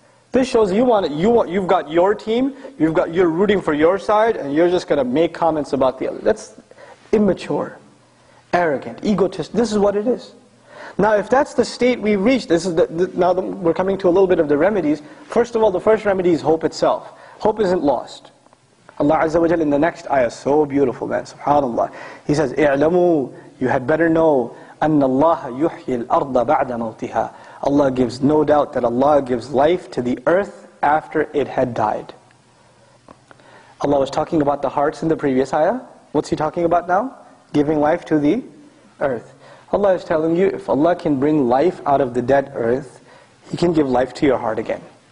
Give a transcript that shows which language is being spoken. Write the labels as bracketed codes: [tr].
[en] This shows you've got your team, you're rooting for your side, and you're just going to make comments about the other. That's immature, arrogant, egotist. This is what it is. Now, if that's the state we've reached, we're coming to a little bit of the remedies. First of all, the first remedy is hope itself. Hope isn't lost. Allah Azza wa Jalla in the next ayah, so beautiful, man, subhanAllah. He says, [ar] اعلموا, [en] you had better know, [ar] أن الله يحيي الأرض بعد موتها. [en] Allah gives no doubt that Allah gives life to the earth after it had died. Allah was talking about the hearts in the previous ayah. What's He talking about now? Giving life to the earth. Allah is telling you, if Allah can bring life out of the dead earth, He can give life to your heart again.